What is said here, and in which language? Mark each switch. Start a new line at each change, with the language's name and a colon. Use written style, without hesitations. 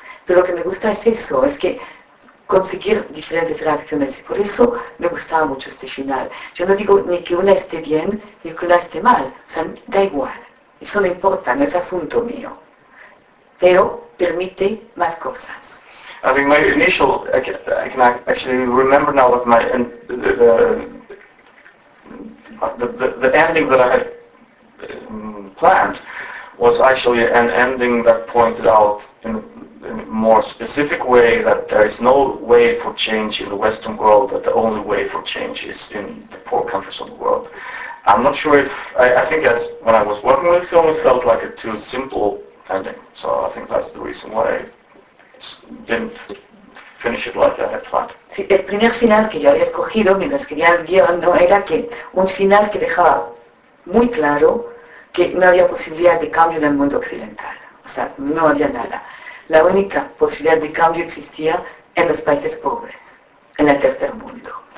Spanish: Pero lo que me gusta es eso, es que conseguir diferentes reacciones, y por eso me gustaba mucho este final. Yo no digo ni que una esté bien, ni que una esté mal, o sea, da igual, eso no importa, no es asunto mío, pero permite más cosas.
English: I think my initial, I can actually remember now, was my the ending that I had planned was actually an ending that pointed out in a more specific way that there is no way for change in the Western world, that the only way for change is in the poor countries of the world. I'm not sure if, I think as when I was working with the film, it felt like a too simple ending, so I think that's the reason why didn't finish it like I had planned.
Spanish: Sí, el primer final que yo había escogido mientras escribía el guión, ¿no?, era que un final que dejaba muy claro que no había posibilidad de cambio en el mundo occidental. O sea, no había nada. La única posibilidad de cambio existía en los países pobres, en el tercer mundo.